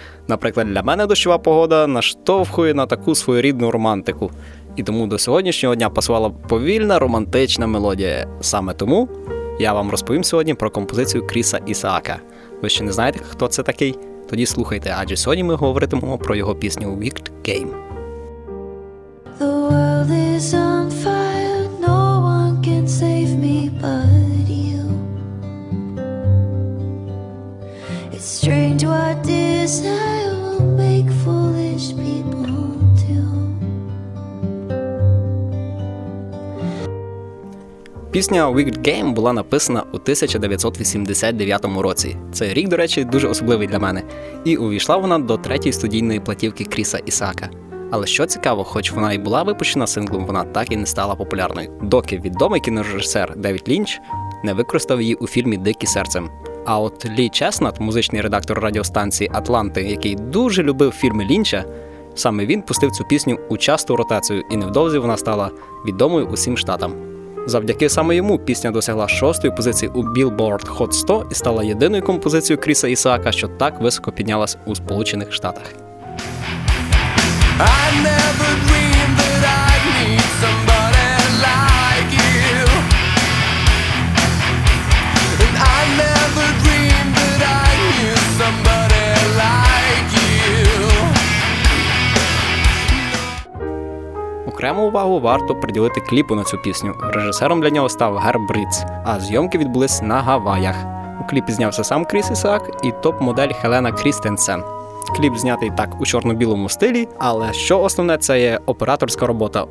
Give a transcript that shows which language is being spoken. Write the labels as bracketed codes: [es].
[uk] Наприклад, для мене дощова погода наштовхує на таку своєрідну романтику. І тому до сьогоднішнього дня пасувала повільна романтична мелодія. Саме тому я вам розповім сьогодні про композицію Кріса Ісаака. Ви ще не знаєте, хто це такий? Тоді слухайте, адже сьогодні ми говоритимемо про його пісню «Wicked Game». [en] The world is on fire, no one can save me but you. It's strange what desire will make foolish people do. [uk] Пісня «Wicked Game» була написана у 1989 році. Цей рік, до речі, дуже особливий для мене. І увійшла вона до третьої студійної платівки Кріса Ісаака. Але що цікаво, хоч вона і була випущена синглом, вона так і не стала популярною. Доки відомий кінорежисер Девід Лінч не використав її у фільмі «Дикі серцем». А от Лі Чеснат, музичний редактор радіостанції «Атланти», який дуже любив фільми Лінча, саме він пустив цю пісню у часту ротацію, і невдовзі вона стала відомою усім штатам. Завдяки саме йому пісня досягла шостої позиції у Billboard Hot 100 і стала єдиною композицією Кріса Ісаака, що так високо піднялась у Сполучених Штатах. [en] I never dreamed that I'd meet somebody like you. And I never dreamed that I'd meet somebody like you. [uk] Окрему увагу варто приділити кліпу на цю пісню. Режисером для нього став Герб Ріц, а зйомки відбулись на Гаваях. У кліпі знявся сам Кріс Ісаак і топ-модель Хелена Крістенсен. Кліп знятий так у чорно-білому стилі, але що основне, це є операторська робота.